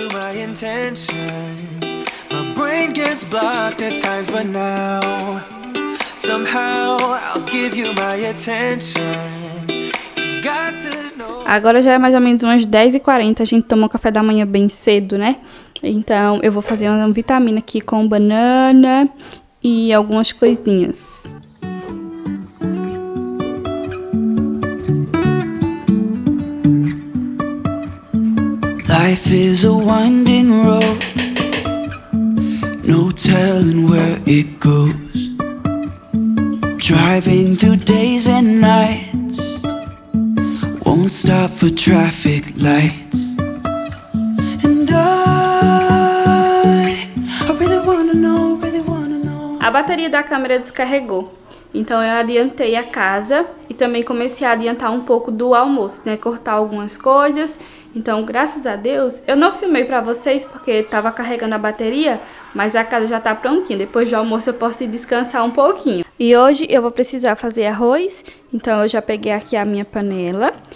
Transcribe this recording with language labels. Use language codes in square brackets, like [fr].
[en] My brain gets blocked at times, but now somehow I'll give you my attention. You've got to know. [pt] Agora já é mais ou menos umas 10h40, a gente tomou café da manhã bem cedo, né? Então eu vou fazer uma vitamina aqui com banana e algumas coisinhas. [en] Life is a winding road. No telling where it goes. Driving through days and nights. Won't stop for traffic lights. And I really wanna know, really wanna know. [pt] A bateria da câmera descarregou. Então eu adiantei a casa e também comecei a adiantar um pouco do almoço, né? Cortar algumas coisas. Então, graças a Deus, eu não filmei pra vocês porque tava carregando a bateria, mas a casa já tá prontinha. Depois do almoço eu posso ir descansar um pouquinho. E hoje eu vou precisar fazer arroz, então eu já peguei aqui a minha panela.